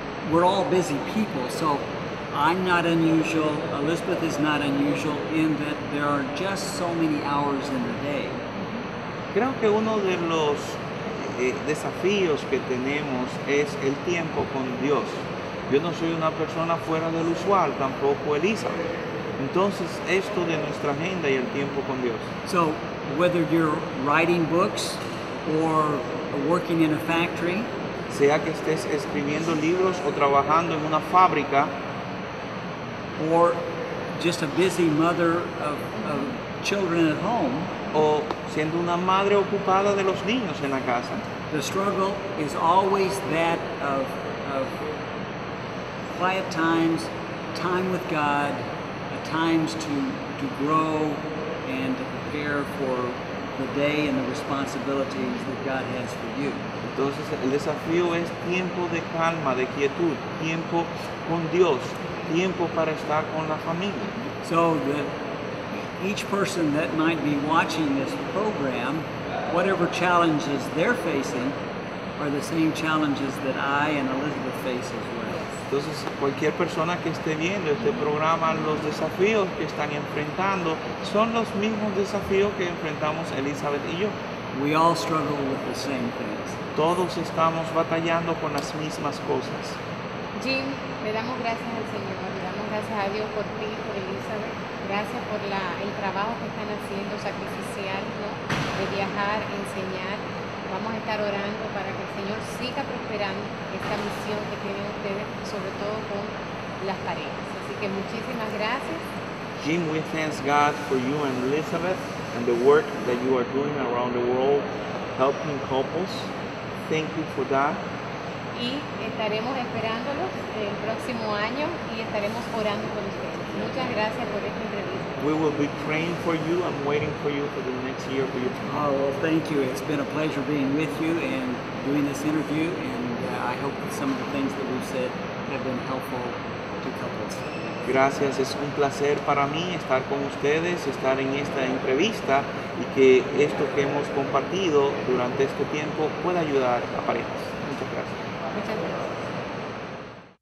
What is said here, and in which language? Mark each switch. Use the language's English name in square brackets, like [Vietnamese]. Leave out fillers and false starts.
[English] We're all busy people, so I'm not unusual, Elizabeth is not unusual, in that there are just so many hours in the day. [Spanish] Creo que uno de los desafíos que tenemos es el tiempo con Dios. Yo no soy una persona fuera del usual, tampoco Elizabeth. Entonces, esto de nuestra agenda y el tiempo con Dios. [English] So, whether you're writing books or working in a factory, [Spanish] sea que estés escribiendo libros o trabajando en una fábrica, [English] or just a busy mother of children at home, [Spanish] o siendo una madre ocupada de los niños en la casa, [English] the struggle is always that of quiet times, time with God, times to grow and to prepare for the day and the responsibilities that God has for you. [Spanish] Entonces, el desafío es tiempo de calma, de quietud, tiempo con Dios, tiempo para estar con la familia. [English] So that each person that might be watching this program, whatever challenges they're facing are the same challenges that I and Elizabeth face as well. [Spanish] Entonces, cualquier persona que esté viendo este programa, los desafíos que están enfrentando son los mismos desafíos que enfrentamos Elizabeth y yo. [English] We all struggle with the same things. [Spanish] Todos estamos batallando con las mismas cosas. Jim, le damos gracias al Señor, le damos gracias a Dios por ti, por Elizabeth. Gracias por el trabajo que están haciendo, sacrificial, ¿no? De viajar, enseñar. Vamos a estar orando para que el Señor siga prosperando esta misión que tienen ustedes, sobre todo con las parejas. Así que muchísimas gracias. [English] Jim, we thank God for you and Elizabeth and the work that you are doing around the world helping couples. Thank you for that. [Spanish] Y estaremos esperándolos el próximo año y estaremos orando por ustedes. Muchas gracias por esta entrevista. [English] We will be praying for you and waiting for you for the next year for your time. Oh, well, thank you. It's been a pleasure being with you and doing this interview. And I hope that some of the things that we've said have been helpful to couples. [Spanish] Gracias. Es un placer para mí estar con ustedes, estar en esta entrevista, y que esto que hemos compartido durante este tiempo pueda ayudar a parejas. Muchas gracias. Muchas gracias.